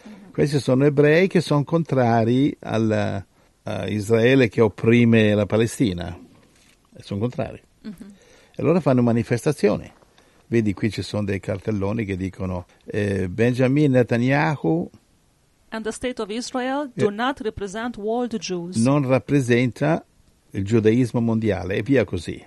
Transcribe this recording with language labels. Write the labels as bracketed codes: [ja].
[it] Questi sono ebrei che sono contrari a Israele che opprime la Palestina, e sono contrari. E allora fanno manifestazioni. Vedi, qui ci sono dei cartelloni che dicono Benjamin Netanyahu [en] and the state of Israel do not represent world Jews. [it] Non rappresenta il giudaismo mondiale, e via così.